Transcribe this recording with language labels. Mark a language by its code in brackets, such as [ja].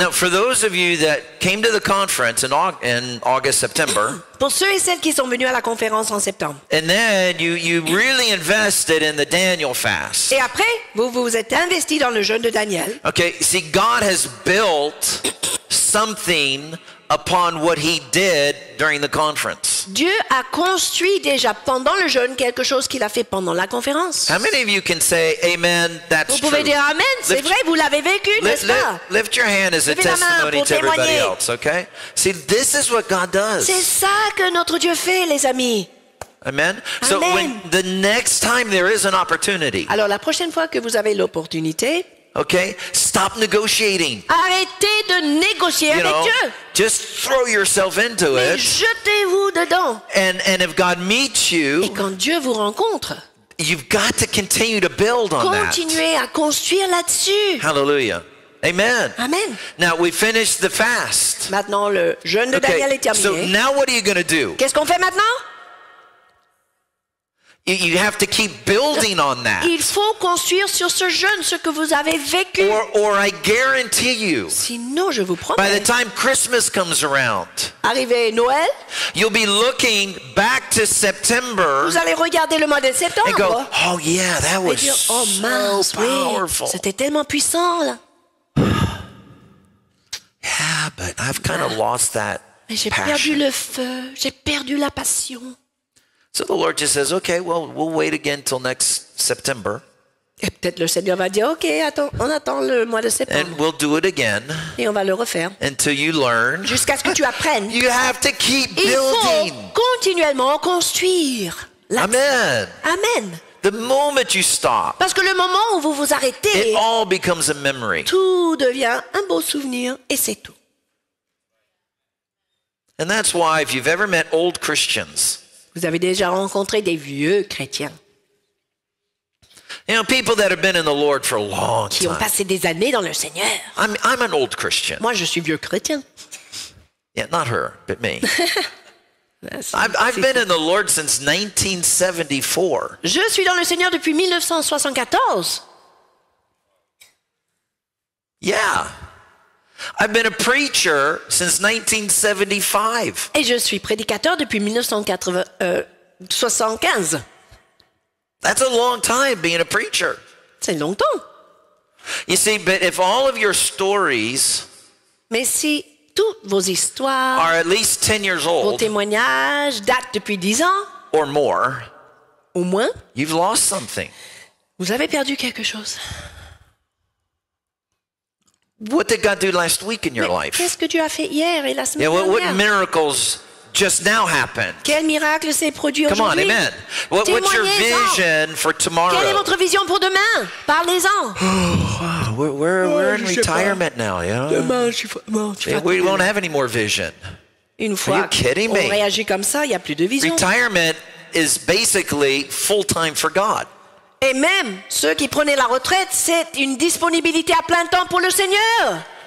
[en] Now, for those of you that came to the conference in August, September, [fr] pour ceux et celles qui sont venus à la conférence en septembre, [en] and then you really invested in the Daniel fast. [fr] Et après, vous êtes investi dans le jeûne de Daniel. [en] Okay, see, God has built something upon what he did during the conference. [fr] Dieu a construit déjà pendant le jeûne quelque chose qu'il a fait pendant la conférence. [en] How many of you can say amen, that's [fr] vous pouvez [en] true. [fr] Dire amen, c'est lift, vrai, vous l'avez vécu, n'est-ce pas? [en] Lift your hand as a testimony to [fr] témoigner. [en] Everybody else, okay? See, this is what God does. [fr] C'est ça que notre Dieu fait, les amis. [en] Amen. Amen. So when the next time there is an opportunity. [fr] Alors la prochaine fois que vous avez l'opportunité, [en] Okay? Stop negotiating. [fr] Arrêtez de négocier avec Dieu. [en] Just throw yourself into it. [fr] Jetez-vous dedans. [en] And if God meets you, [fr] et quand Dieu vous rencontre, [en] you've got to continue to build on [fr] continuez [en] that. [fr] Continuez à construire là-dessus. [en] Hallelujah. Amen. Amen. Now we finished the fast. [fr] Maintenant le jeûne de Daniel est terminé. [en] So now what are you going to do? [fr] Qu'est-ce qu'on fait maintenant? [en] You have to keep building on that. [fr] Il faut construire sur ce jeûne ce que vous avez vécu. [en] Or I guarantee you. [fr] Sinon, je vous promets. [en] By the time Christmas comes around. [fr] Arrivé Noël. [en] You'll be looking back to September. [fr] Vous allez regarder le mois de septembre. [en] And go, oh yeah, that was [fr] dire, oh, mince, [en] so powerful. [fr] Oui, c'était tellement puissant là. [en] Yeah, but I've kind of lost that. [fr] Mais j'ai passion. Perdu le feu. J'ai perdu la passion. [en] So the Lord just says, okay, well, we'll wait again till next September. [fr] Et peut-être le Seigneur va dire, okay, attends, on attend le mois de septembre. [en] And we'll do it again. [fr] Et on va le refaire. [en] Until you learn. [fr] Jusqu'à ce que tu apprennes. [en] You have to keep building. [fr] Il faut continuellement construire. [en] Amen. Amen. The moment you stop. [fr] Parce que le moment où vous vous arrêtez. [en] It all becomes a memory. [fr] Tout devient un beau souvenir et c'est tout. [en] And that's why if you've ever met old Christians. [fr] Vous avez déjà rencontré des vieux chrétiens. [en] You know, people that have been in the Lord for a long time. [fr] Qui ont passé des années dans le Seigneur. [en] I'm an old Christian. [fr] Moi, je suis vieux chrétien. [en] Yeah, not her, but me. I've been in the Lord since 1974. [fr] Je suis dans le Seigneur depuis 1974. [en] Yeah. I've been a preacher since 1975. [fr] Et je suis prédicateur depuis 1975. [en] That's a long time being a preacher. [fr] C'est longtemps. [en] You see, but if all of your stories [fr] mais si toutes vos histoires [en] are at least 10 years old, [fr] vos témoignages datent depuis 10 ans [en] or more, [fr] au moins, [en] you've lost something. [fr] Vous avez perdu quelque chose. [en] What did God do last week in your life? [fr] Qu'est-ce que Dieu a fait hier et la semaine dernière? [en] Yeah, what miracles just now happened? [fr] Quel miracle s'est produit aujourd'hui? [en] Come on, amen. What's your vision for tomorrow? [fr] Quelle est votre vision pour demain? Parlez-en. [en] We're in retirement now, you know? [fr] Demain, je suis fatigué. [en] We won't have any more vision. [fr] Une fois, [en] are you kidding me? [fr] On réagit comme ça, il n'y a plus de vision. [en] Retirement is basically full-time for God. [fr] Et même ceux qui prenaient la retraite, c'est une disponibilité à plein temps pour le Seigneur.